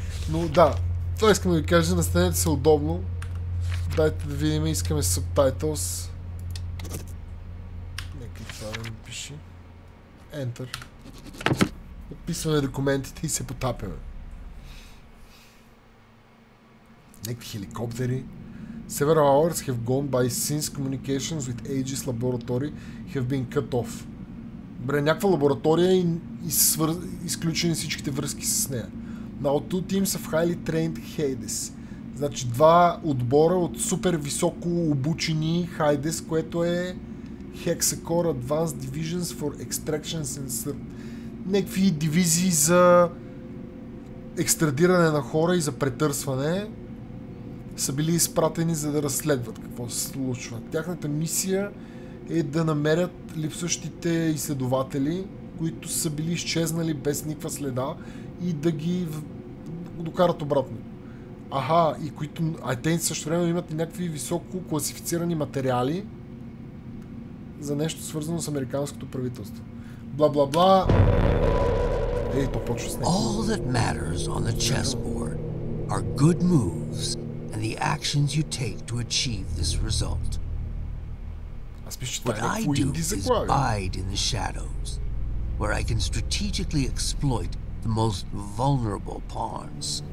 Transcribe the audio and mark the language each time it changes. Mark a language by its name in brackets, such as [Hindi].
[Bulgarian] Но да, това искам да ви кажа, настанете се удобно. Дайте да видим, искаме subtitles. Нека това да напиши. Enter. Подписваме документите и се потапяме. Някакви хеликоптери. [English] Several hours have gone by since communications with Aegis Laboratory have been cut off. [Bulgarian] Бре, някаква лаборатория и изключени всичките връзки с нея. [English] Now two teams of highly trained Hades. [Bulgarian] Значи два отбора от супер високо обучени Hades, което е Hexacore Advanced Divisions for Extraction Sensor. Някакви дивизии за екстрадиране на хора и за претърсване са били изпратени, за да разследват какво се случва. Тяхната мисия е да намерят липсващите изследователи, които са били изчезнали без никаква следа, и да ги докарат обратно. Аха, и които, а те също време имат някакви високо класифицирани материали за нещо свързано с американското правителство. Бла-бла-бла. Ей, то почва с него. [English] All that matters on the chessboard are good moves and the actions you take to achieve this result. What I do is bide in the shadows, where I can strategically exploit the most vulnerable pawns.